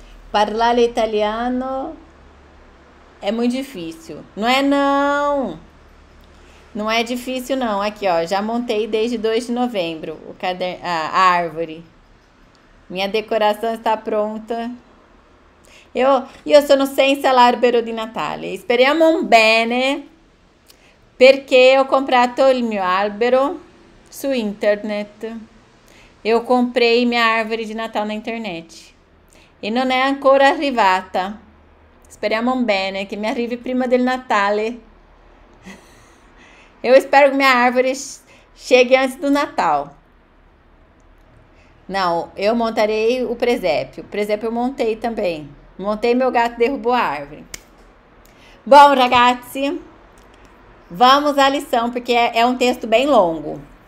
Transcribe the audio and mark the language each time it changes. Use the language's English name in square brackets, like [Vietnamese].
[Italian] Parlare italiano [Portuguese] é muito difícil. Não é, não. Não é difícil, não. Aqui, ó, já montei desde 2 de novembro o caderno, a árvore. Minha decoração está pronta. [Italian] Io sono senza l'albero di Natale. Speriamo bene, perché ho comprato il mio albero su internet. [Portuguese] Eu comprei minha árvore de Natal na internet. [Italian] E non è ancora arrivata. Speriamo bene, che mi arrivi prima del Natale. [Portuguese] Eu espero que minha árvore chegue antes do Natal. Não, eu montarei o presépio. O presépio eu montei também. Montei, meu gato derrubou a árvore. Bom, ragazzi, vamos à lição, porque é um texto bem longo.